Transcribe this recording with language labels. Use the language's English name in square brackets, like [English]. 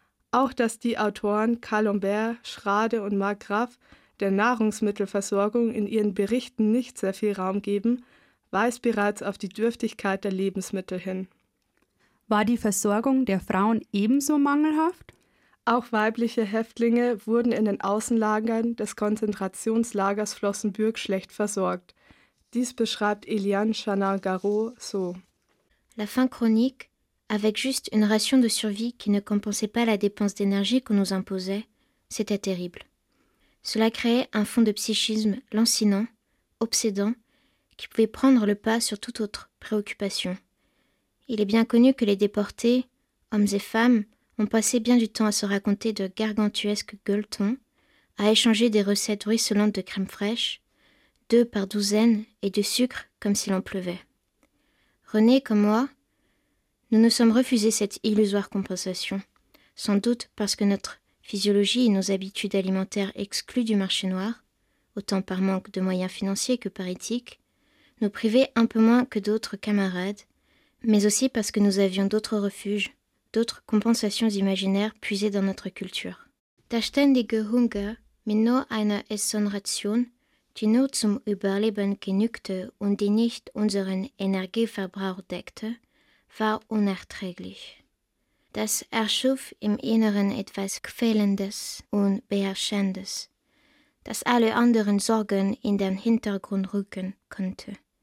[German] Auch dass die Autoren Calembert, Schrade und Margraff der Nahrungsmittelversorgung in ihren Berichten nicht sehr viel Raum geben, weist bereits auf die Dürftigkeit der Lebensmittel hin. War die Versorgung der Frauen ebenso mangelhaft? Auch weibliche Häftlinge wurden in den Außenlagern des Konzentrationslagers Flossenbürg schlecht versorgt. Dies beschreibt Eliane Chanin-Garot so. [French] La faim chronique, avec juste une ration de survie qui ne compensait pas la dépense d'énergie qu'on nous imposait, c'était terrible. Cela créait un fond de psychisme lancinant, obsédant, qui pouvait prendre le pas sur toute autre préoccupation. Il est bien connu que les déportés, hommes et femmes, ont passé bien du temps à se raconter de gargantuesques gueuletons, à échanger des recettes ruisselantes de crème fraîche, deux par douzaine et de sucre comme s'il en pleuvait. René, comme moi, Nous nous sommes refusés cette illusoire compensation, sans doute parce que notre physiologie et nos habitudes alimentaires exclues du marché noir, autant par manque de moyens financiers que par éthique, nous privaient un peu moins que d'autres camarades, mais aussi parce que nous avions d'autres refuges, d'autres compensations imaginaires puisées dans notre culture. [German] Der ständige Hunger mit nur einer Essensration, die nur zum Überleben genügte und die nicht unseren Energieverbrauch deckte, war unerträglich. Das erschuf im Inneren etwas Quälendes und Beherrschendes, das alle anderen Sorgen in den Hintergrund rücken konnte.